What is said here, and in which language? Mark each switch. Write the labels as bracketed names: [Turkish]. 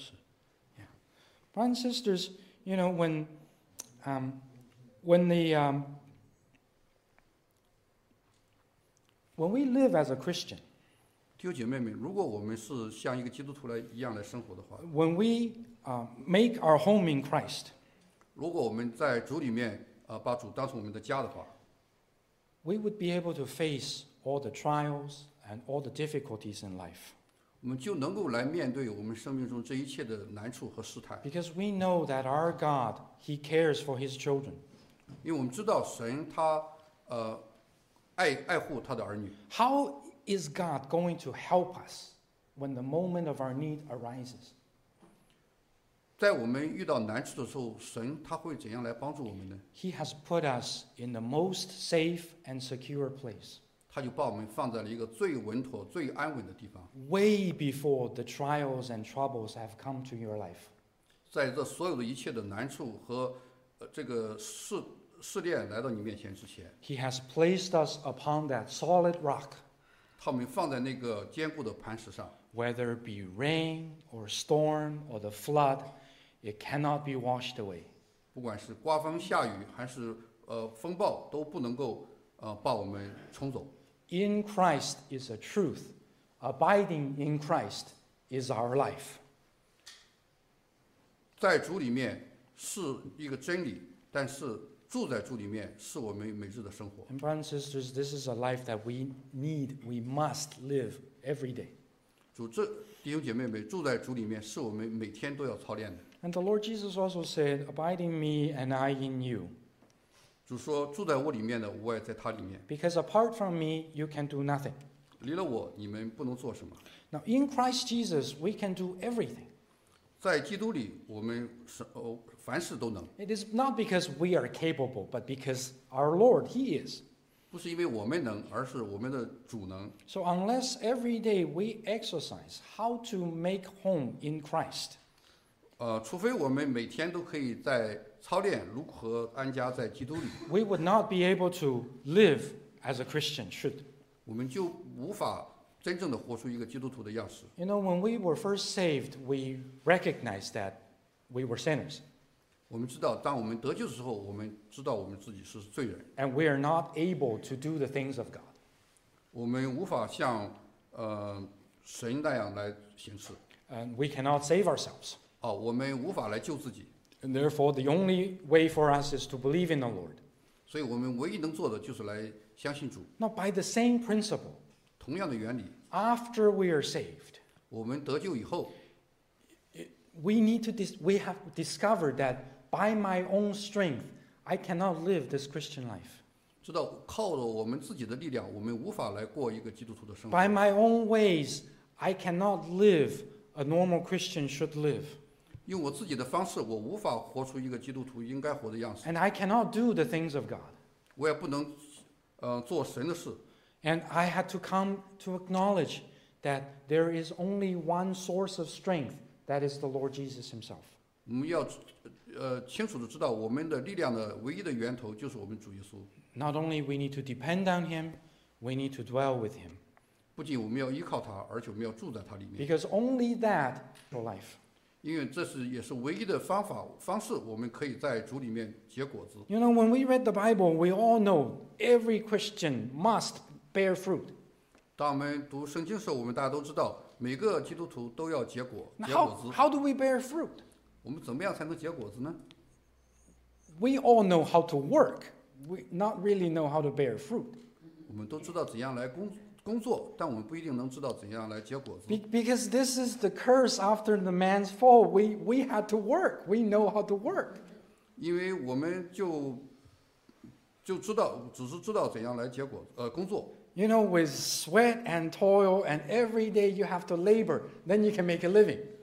[English] 是 ，Yeah, brothers and sisters, you know when, when the when we live as a Christian, [Chinese] 弟兄姐妹们，如果我们是像一个基督徒来一样来生活的话 [English] ，When we make our home in Christ, [Chinese] 如果我们在主里面把主当成我们的家的话。 [English] We would be able to face all the trials and all the difficulties in life. [Chinese] 我们就能够来面对我们生命中这一切的难处和试探。 [English] Because we know that our God, He cares for His children. [Chinese] 因为我们知道神他爱护他的儿女。 [English] How is God going to help us when the moment of our need arises? [Chinese] 在我们遇到难处的时候，神他会怎样来帮助我们呢？ [English] He has put us in the most safe and secure place. [Chinese] 他就把我们放在了一个最稳妥、最安稳的地方。 [English] Way before the trials and troubles have come to your life. [Chinese] 在这所有的一切的难处和这个试炼来到你面前之前， [English] He has placed us upon that solid rock. [Chinese] 他们放在那个坚固的磐石上。 [English] Whether it be rain or storm or the flood, it cannot be washed away. [Chinese] 不管是刮风下雨还是风暴都不能够把我们冲走。 [English] In Christ is a truth. Abiding in Christ is our life. [Chinese] 在主里面是一个真理，但是住在主里面是我们每日的生活。 [English] And brothers and sisters, this is a life that we need, we must live every day. [Chinese] 弟兄姐妹们，住在主里面是我们每天都要操练的。 [English] And the Lord Jesus also said, "Abide in me, and I in you." [Chinese] 主说，住在我里面的，我也在他里面。 [English] Because apart from me, you can do nothing. [Chinese] 离了我，你们不能做什么。 [English] Now in Christ Jesus, we can do everything. [Chinese] 在基督里，我们凡事都能。 [English] It is not because we are capable, but because our Lord, He is. [Chinese] 不是因为我们能，而是我们的主能。 [English] So unless every day we exercise how to make home in Christ, [Chinese] 除非我们每天都可以在操练如何安家在基督里。 [English] We would not be able to live as a Christian should. [Chinese] 我们就无法真正的活出一个基督徒的样式。 [English] You know, when we were first saved, we recognized that we were sinners. [Chinese] 我们知道，当我们得救的时候，我们知道我们自己是罪人。 [English] And we are not able to do the things of God. [Chinese] 我们无法像神那样来行事。 [English] And we cannot save ourselves. [Chinese] 哦，我们无法来救自己。 [English] And therefore, the only way for us is to believe in the Lord. [Chinese] 所以我们唯一能做的就是来相信主。 [English] Now, by the same principle, [Chinese] 同样的原理。 [English] After we are saved, [Chinese] 我们得救以后。 [English] We have discovered that by my own strength, I cannot live this Christian life. [Chinese] 知道靠着我们自己的力量，我们无法来过一个基督徒的生活。 [English] By my own ways, I cannot live a normal Christian should live. [Chinese] 用我自己的方式，我无法活出一个基督徒应该活的样子。 [English] And I cannot do the things of God. [Chinese] 我也不能，做神的事。 [English] And I had to come to acknowledge that there is only one source of strength. That is the Lord Jesus Himself. [Chinese] 我们要清楚地知道我们的力量的唯一的源头就是我们主耶稣。 [English] Not only we need to depend on Him, we need to dwell with Him. [Chinese] 不仅我们要依靠他，而且我们要住在他里面。 [English] Because only that for life. [Chinese] 因为这是也是唯一的方法方式，我们可以在主里面结果子。 [English] You know, when we read the Bible, we all know every Christian must bear fruit. [Chinese] 当我们读圣经的时候，我们大家都知道。每个基督徒都要结果，结果子。 [English] How do we bear fruit? [Chinese] 我们怎么样才能结果子呢？ [English] We all know how to work. We not really know how to bear fruit. [Chinese] 我们都知道怎样来工作，但我们不一定能知道怎样来结果子。 [English] Because this is the curse after the man's fall. We had to work. We know how to work. [Chinese] 因为我们就知道，只是知道怎样来结果，工作。 [English] You know, with sweat and toil, and every day you have to labor, then you can make a living.